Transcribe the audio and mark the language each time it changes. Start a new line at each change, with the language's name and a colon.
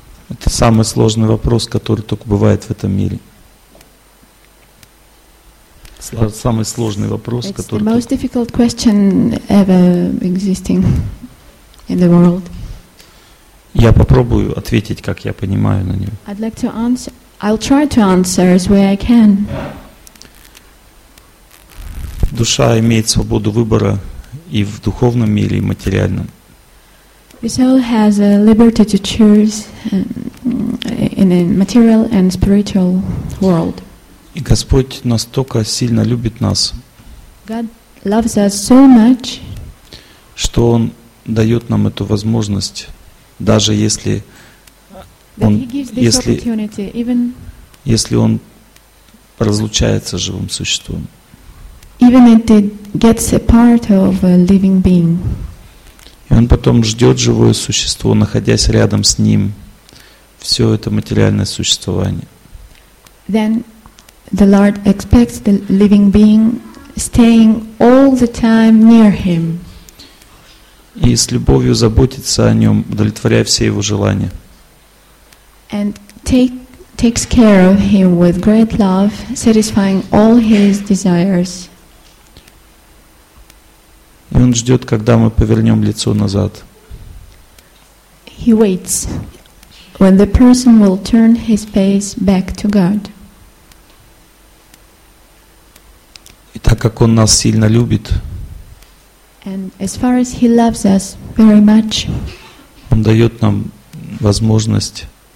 Russian: Это самый сложный вопрос, который только бывает в этом мире. Самый сложный вопрос,
English: it's
Russian: который.
English: It's the most difficult question ever existing in the world.
Russian: Я попробую ответить, как я понимаю на него.
English: I'd like to answer. I'll try to answer as way I can.
Russian: Душа имеет свободу выбора и в духовном мире, и в материальном.
English: The soul has a liberty to choose in a material and spiritual world.
Russian: И Господь настолько сильно любит нас,
English: God loves us so much,
Russian: что Он дает нам эту возможность. Даже если он, если, если он разлучается с живым существом.
English: Even if it gets a part of a living being.
Russian: И он потом ждет живое существо, находясь рядом с ним, все это материальное существование.
English: Then the Lord expects the living being staying all the time near him.
Russian: И с любовью заботится о нем, удовлетворяя все его желания.
English: And takes care of him with great love, satisfying all his desires.
Russian: И он ждет, когда мы повернем лицо назад.
English: He waits when the person will turn his face back to God.
Russian: И так как он нас сильно любит,
English: and as far as he loves us very much,
Russian: он дает нам возможность.